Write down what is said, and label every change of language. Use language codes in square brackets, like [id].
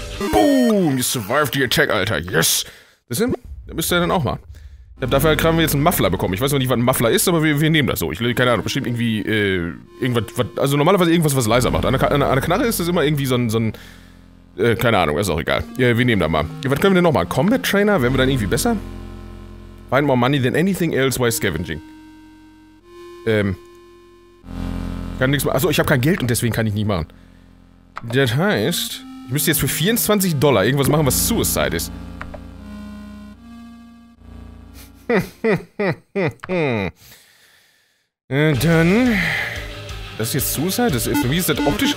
[de] Boom, [en] you survived the attack, [de] Alter. Yes. Das müsst ihr dann auch mal. Dafür haben wir jetzt einen Muffler bekommen. Ich weiß noch nicht, was ein Muffler ist, aber wir nehmen das so. Ich keine Ahnung, bestimmt irgendwie irgendwas, also normalerweise irgendwas, was leiser macht. An der Knarre ist das immer irgendwie so ein keine Ahnung, ist auch egal. Ja, wir nehmen da mal. Ja, was können wir denn nochmal? Combat Trainer? Wären wir dann irgendwie besser? [en] Find more money than anything else while scavenging. [de] Kann nichts mehr. Achso, ich habe kein Geld und deswegen kann ich nicht machen. Das heißt, ich müsste jetzt für 24 Dollar irgendwas machen, was Suicide ist. Dann Das ist jetzt Suicide? Das ist, wie ist das optisch?